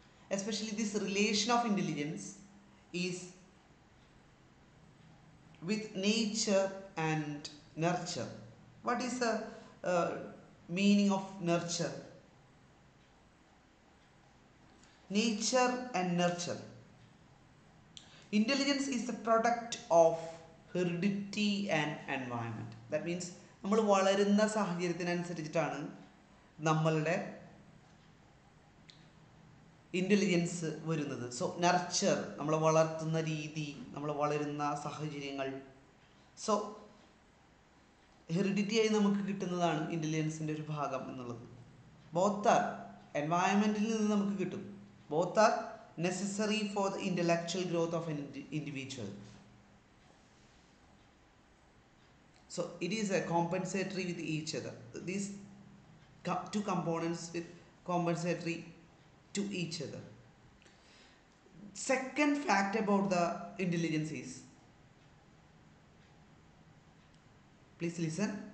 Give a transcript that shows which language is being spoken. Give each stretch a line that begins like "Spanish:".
English: Especially this relation of intelligence is with nature and nurture. What is the meaning of nurture? Nature and nurture. Intelligence is the product of heredity and environment. That means
Malayalam: നമ്മൾ വളരുന്ന സാഹചര്യത്തിനനുസരിച്ചിട്ടാണ് നമ്മളുടെ intelligence വരുന്നത്. So nurture, നമ്മൾ വളർത്തുന്ന രീതി, നമ്മൾ വളരുന്ന സാഹചര്യങ്ങൾ. സോ ഹെറിഡിറ്റിയായി നമുക്ക് കിട്ടുന്നതാണ് ഇൻ്റലിജൻസിൻ്റെ ഒരു ഭാഗം എന്നുള്ളത്.
English: both are എൻവയോൺമെൻറ്റിൽ
Malayalam: നിന്ന് നമുക്ക് കിട്ടും.
English: Both are necessary for the intellectual growth of an individual. So it is a compensatory with each other. These two components with compensatory to each other. Second fact about the intelligence is, please listen.